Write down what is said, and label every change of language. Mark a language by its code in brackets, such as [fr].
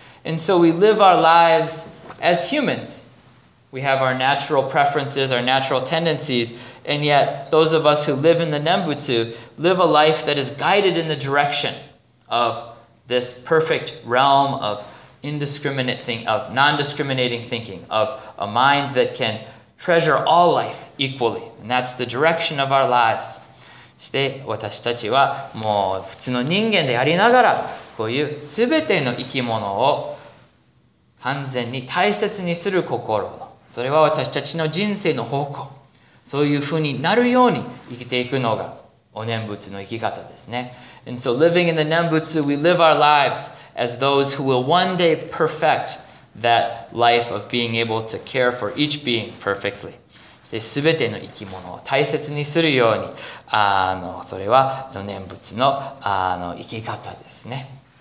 [en] And so we live our lives as humans. We have our natural preferences, our natural tendencies, and yet those of us who live in the Nembutsu live a life that is guided in the direction of this perfect realm of indiscriminate thing, of non-discriminating thinking, of a mind that can treasure all life equally. And that's the direction of our lives. [ja] そして私たちはもう普通の人間でありながらこういう全ての生き物を完全に大切にする心、それは私たちの人生の方向、そういうふうになるように生きていくのがお念仏の生き方ですね。 [en] And so living in the Nembutsu, we live our lives as those who will one day perfect that life of being able to care for each being perfectly. [ja] そして全ての生き物を大切にするように、それはお念仏の、生き方ですね。